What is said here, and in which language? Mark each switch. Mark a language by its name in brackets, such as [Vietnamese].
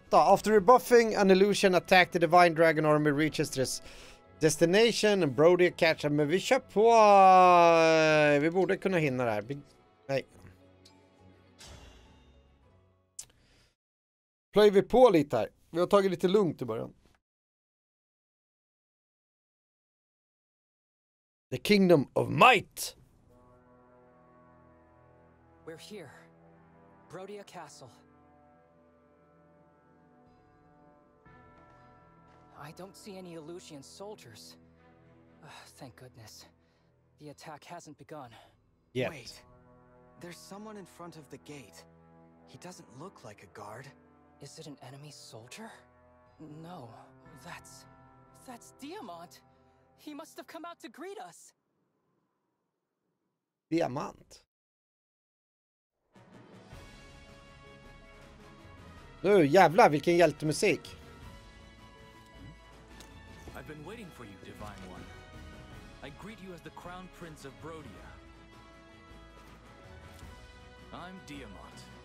[English] After rebuffing an illusion attack, the divine dragon army reaches this destination and Brodia catches. [Swedish] Men vi kör på. Vi borde kunna hinna det här. Nej. Play vi på lite här. Vi har tagit lite lugnt i början. [English] The kingdom of might. We're here. Brodia Castle. I don't see any Illusion soldiers. Thank goodness. The attack hasn't begun. Yet. Wait. There's someone in front of the gate. He doesn't look like a guard. Is it an enemy soldier? No, that's Diamant. He must have come out to greet us. Diamant. [Swedish] Nu, jävlar, vilken hjältemusik. [English] I've been waiting for you, Divine One. I greet you as the Crown Prince of Brodia. I'm Diamant.